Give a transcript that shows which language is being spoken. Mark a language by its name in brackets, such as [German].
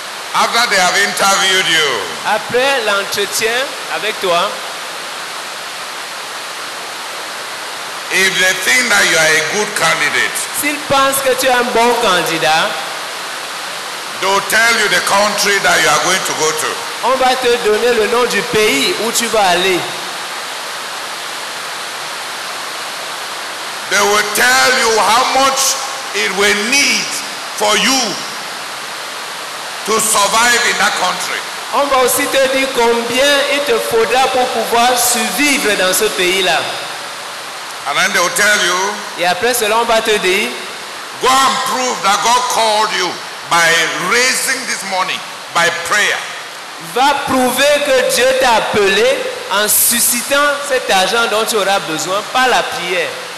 [English] after they have interviewed you, [French] après l'entretien avec toi, [English] if they think that you are a good candidate, [French] s'ils pensent que tu es un bon candidat, [English] they'll tell you the country that you are going to go to. [French] On va te donner le nom du pays où tu vas aller. [English] They will tell you how much it will need for you to survive in that country. [French] On va aussi te dire combien il te faudra pour pouvoir survivre dans ce pays-là. [English] And then they will tell you, [French] et après cela, on va te dire, [English] go and prove that God called you by raising this money, by prayer. [French] Va prouver que Dieu t'a appelé en suscitant cet argent dont tu auras besoin par la prière.